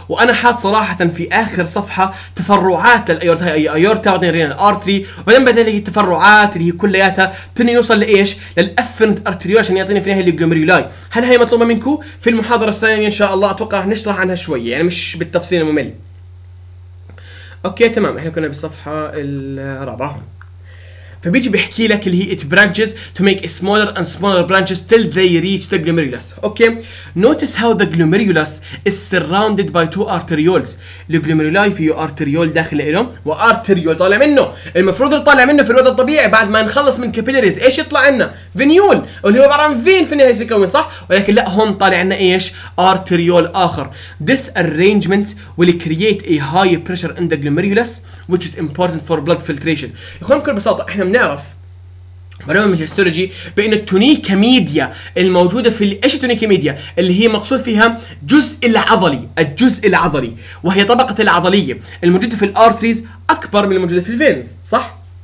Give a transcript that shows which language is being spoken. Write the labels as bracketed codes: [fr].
[ar] وانا حاط صراحه في اخر صفحه تفرعات للايورتا، هي ايورتا بعدين رينال ارتري وبعدين بعدين هي التفرعات اللي هي كلياتها تنه يوصل لايش؟ للافرنت ارتريول عشان يعطينا في النهايه الجلوميرولاي. هل هي مطلوبه منكم؟ في المحاضره الثانيه ان شاء الله اتوقع راح نشرح عنها شويه، يعني مش بالتفصيل الممل. اوكي تمام، احنا كنا بالصفحه الرابعه. فبيجي بيحكي لك اللي هي [en] it branches to make smaller and smaller branches till they reach the glomerulus. Okay. Notice how the glomerulus is surrounded by two arterioles. [ar] الجلوميرولاي فيه arteriole داخل إلهم و arteriole طالع منه. المفروض اللي طالع منه في الوضع الطبيعي بعد ما نخلص من capillaries إيش يطلع لنا؟ venule اللي هو عبارة عن vein في النهاية يتكون صح؟ ولكن لا هم طالع لنا إيش؟ arteriole آخر. [en] This arrangement will create a high pressure in the glomerulus which is important for blood filtration. [ar] يخلون بكل بساطة احنا بنعرف بنعمل الهيستولوجي بان التونيكا ميديا الموجودة في ايش التونيكا ميديا اللي هي مقصود فيها جزء العضلي الجزء العضلي وهي طبقة العضلية الموجودة في الارتريز اكبر من الموجودة في الفينز صح؟